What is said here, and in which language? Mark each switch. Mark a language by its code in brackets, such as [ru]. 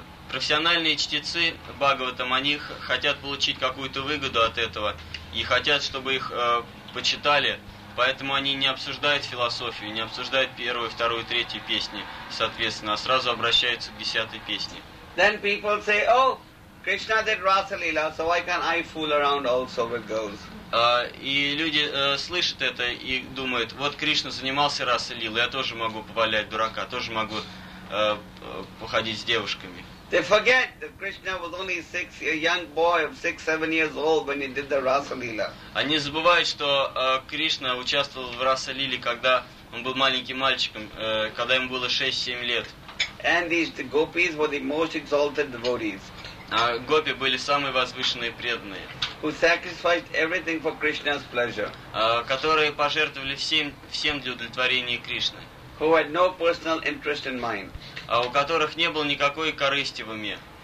[ru] Профессиональные чтецы Бхагаватам, они хотят получить какую-то выгоду от этого и хотят, чтобы их почитали, поэтому они не обсуждают философию, не обсуждают первую, вторую, третью песни, соответственно, а сразу обращаются к десятой песне. [en] Then people say, oh, Krishna did Rasa Leela, so why can't I fool around also with girls? [ru] И люди слышат это и думают, вот Кришна занимался Раса Лилой, я тоже могу повалять дурака, тоже могу походить с девушками. [en] They forget that Krishna was only a young boy of 6-7 years old when he did the Rasa Leela. [ru] Они забывают, что Кришна участвовал в Раса Лиле, когда он был маленьким мальчиком, когда ему было 6-7 лет. [en] And these gopis were the most exalted devotees. [ru] А гопи были самые возвышенные преданные. [en] Who sacrificed everything for Krishna's pleasure. [ru] Которые пожертвовали всем для удовлетворения Кришны. [en] Who had no personal interest in mind. [ru] А у которых не было никакой корысти в уме.